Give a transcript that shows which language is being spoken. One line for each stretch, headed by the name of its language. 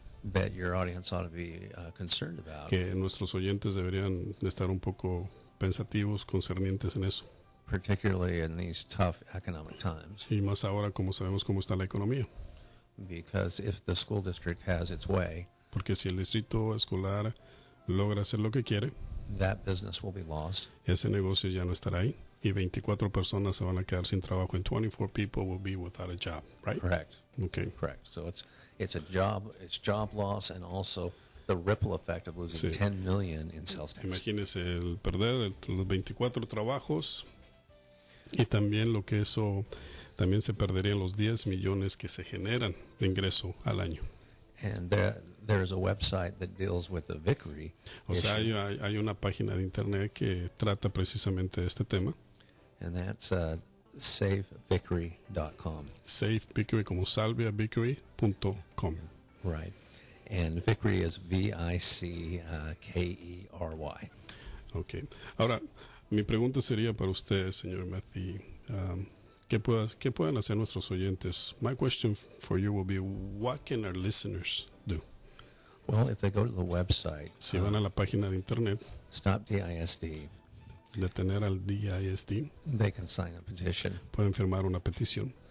English: That your audience ought to be concerned about.
Spanish: Que nuestros oyentes deberían estar un poco pensativos, concernientes en eso.
English: Particularly in these tough economic times.
Spanish: Y más ahora como sabemos cómo está la economía.
English: Because if the school district has its way.
Spanish: Porque si el distrito escolar logra hacer lo que quiere.
English: That business will be lost.
Spanish: Ese negocio ya no estará ahí. Y 24 personas se van a quedar sin trabajo.
English: And 24 people will be without a job, right? Correct. Okay. Correct. So it's a job, it's job loss and also the ripple effect of losing $10 million in sales tax.
Spanish: Imagínese el perder los 24 trabajos y también lo que eso, también se perderían los 10 millones que se generan de ingreso al año.
English: And there is a website that deals with the Vickery
Spanish: issue. O sea, hay una página de internet que trata precisamente este tema.
English: And that's savevickery.com.
Spanish: Save Vickery como salvia Vickery.com.
English: Right. And Vickery is V-I-C-K-E-R-Y. Okay.
Spanish: Ahora, mi pregunta sería para usted, señor Matthew. ¿Qué pueden hacer nuestros oyentes?
English: My question for you will be, what can our listeners do? Well, if they go to the website.
Spanish: Si van a la página de internet.
English: Stop D-I-S-D.
Spanish: Detener al D-I-S-D.
English: They can sign a petition.
Spanish: Pueden firmar una petición.